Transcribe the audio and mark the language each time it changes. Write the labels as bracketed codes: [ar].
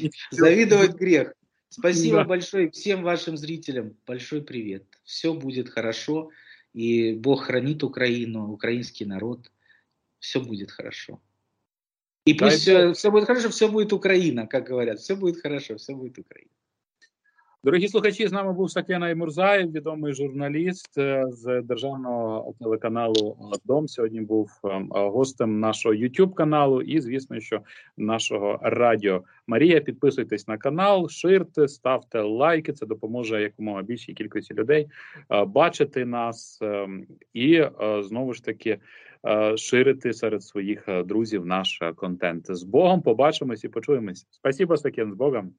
[ru] Завидовать грех. Спасибо да. большое всем вашим зрителям. Большой привет. Все будет хорошо. И Бог хранит Украину, украинский народ. Все будет хорошо. И пусть да, все будет хорошо, все будет Украина, как говорят. Все будет хорошо, все будет Украина. [uk] Дорогі слухачі, з нами був Сакен Аймурзаєв, відомий журналіст з державного телеканалу «Дом». Сьогодні був гостем нашого YouTube-каналу і, звісно, що нашого радіо. Марія, підписуйтесь на канал, ширте, ставте лайки. Це допоможе якомога більшій кількості людей бачити нас і, знову ж таки, ширити серед своїх друзів наш контент. З Богом, побачимось і почуємось. Спасибо, Сакен, з Богом.